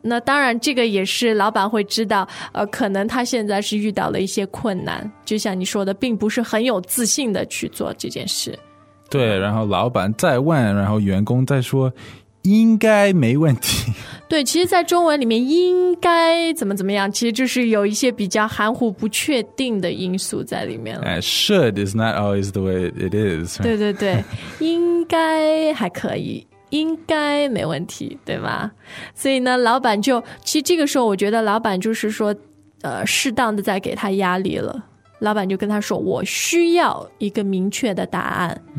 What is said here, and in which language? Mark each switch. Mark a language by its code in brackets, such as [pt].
[zh] 那当然这个也是老板会知道，可能他现在是遇到了一些困难，就像你说的，并不是很有自信的去做这件事。对，然后老板再问，然后员工再说应该没问题。对，其实在中文里面应该怎么怎么样，其实就是有一些比较含糊不确定的因素在里面了。 [en] Should is not always the way it is. [zh] 对对对，应该还可以，应该没问题，对吗？所以呢，老板就，其实这个时候我觉得老板就是说适当的在给他压力了。老板就跟他说，我需要一个明确的答案。